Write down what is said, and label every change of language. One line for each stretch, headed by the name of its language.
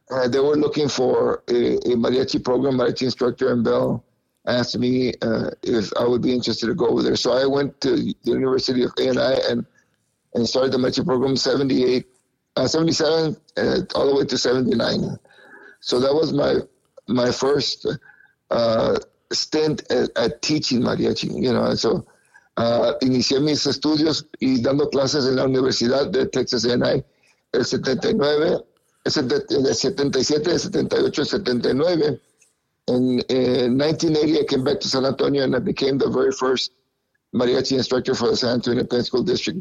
English: They were looking for a mariachi program, mariachi instructor, and Bell asked me if I would be interested to go over there. So I went to the University of A&I and started the mariachi program 77 all the way to 79. So that was my first stint at teaching mariachi, you know.
Spanish: So inicié mis estudios y dando clases en la Universidad de Texas A&I en 1980 y 79.
English: In 1980 I came back to San Antonio and I became the very first mariachi instructor for the San Antonio Independent School District.